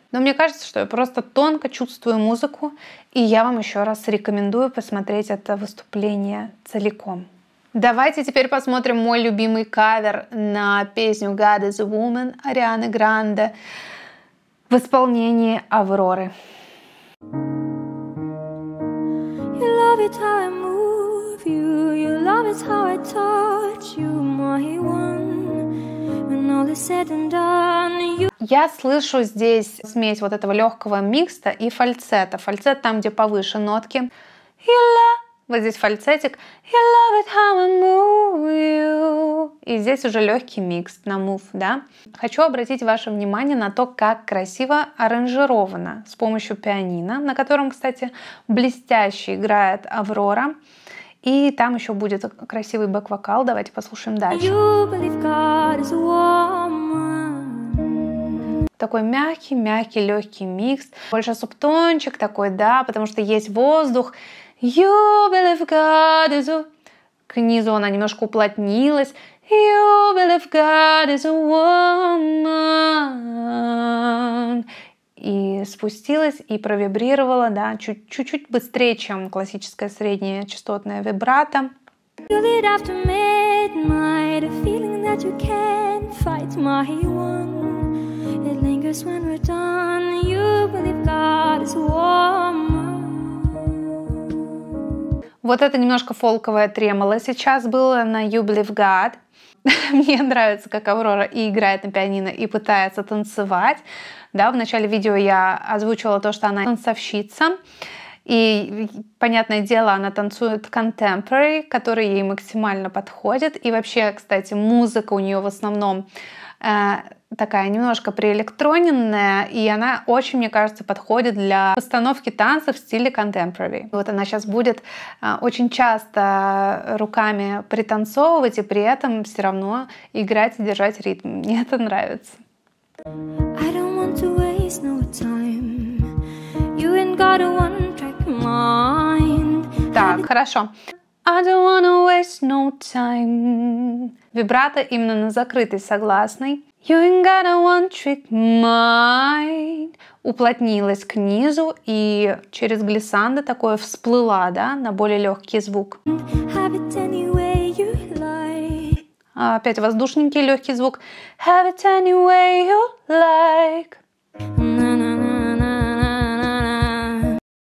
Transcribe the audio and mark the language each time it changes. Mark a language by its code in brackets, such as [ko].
[ru] Но мне кажется, что я просто тонко чувствую музыку. И я вам еще раз рекомендую посмотреть это выступление целиком. Давайте теперь посмотрим мой любимый кавер на песню God is a Woman Арианы Гранде в исполнении Авроры. [en] You love it how I move you, you love it how I touch you, my one. When all is said and done, you... [ru] Я слышу здесь смесь вот этого легкого микста и фальцета. Фальцет там, где повыше нотки. Вот здесь фальцетик. [en] I love it how I move you. [ru] И здесь уже легкий микс на move, да? Хочу обратить ваше внимание на то, как красиво аранжировано с помощью пианино, на котором, кстати, блестяще играет Аврора. И там еще будет красивый бэк-вокал. Давайте послушаем дальше. [en] You believe God is a woman. [ru] Такой мягкий, легкий микс. Больше субтончик такой, да, потому что есть воздух. [en] You believe God is a... [ru] К низу она немножко уплотнилась. [en] You believe God is a woman. [ru] И спустилась, и провибрировала, да, чуть-чуть быстрее, чем классическая средняя частотная вибрато. [en] You lead after midnight, a feeling that you can't fight my one. It lingers when we're done. You believe God is a woman. [ru] Вот это немножко фолковое тремоло сейчас было на [en] You Believe God. [ru] Мне нравится, как Аврора и играет на пианино, и пытается танцевать. Да, в начале видео я озвучивала то, что она танцовщица. И, понятное дело, она танцует contemporary, который ей максимально подходит. И вообще, кстати, музыка у нее в основном такая немножко приэлектроненная, и она очень, мне кажется, подходит для постановки танцев в стиле contemporary. Вот она сейчас будет очень часто руками пританцовывать и при этом все равно играть и держать ритм. Мне это нравится. [en] I don't want to waste no time. You ain't got a one track mind. [ru] Так, хорошо. [en] I don't wanna waste no time. [ru] Вибрато именно на закрытой согласной. [en] You ain't got a one trick mind. [ru] Уплотнилась к низу и через глиссандо такое всплыла, да, на более легкий звук. [en] Have it any way you like. [ru] Опять воздушненький легкий звук. [en] Have it any way you like.